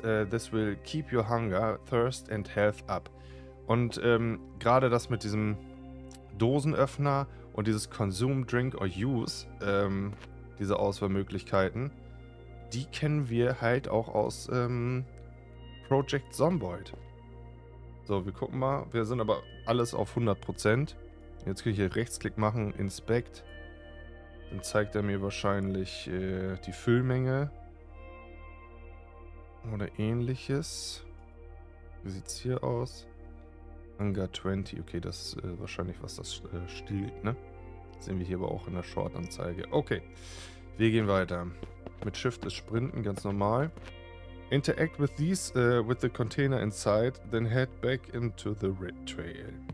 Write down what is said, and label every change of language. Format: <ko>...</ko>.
<en>This will keep your hunger, thirst and health up.</en> <de>Und gerade das mit diesem Dosenöffner und dieses</de> <en>consume, drink or use,</en> <de>diese Auswahlmöglichkeiten, die kennen wir halt auch aus Project Zomboid. So, wir gucken mal. Wir sind aber alles auf 100%. Jetzt kann ich hier Rechtsklick machen, Inspect. Dann zeigt er mir wahrscheinlich die Füllmenge. Oder ähnliches. Wie sieht es hier aus? Hunger 20. Okay, das ist wahrscheinlich, was das stiehlt, ne? Das sehen wir hier aber auch in der Short-Anzeige. Okay, wir gehen weiter. Mit Shift ist Sprinten, ganz normal.</de> <en>Interact with these, with the container inside, then head back into the red trail.</en>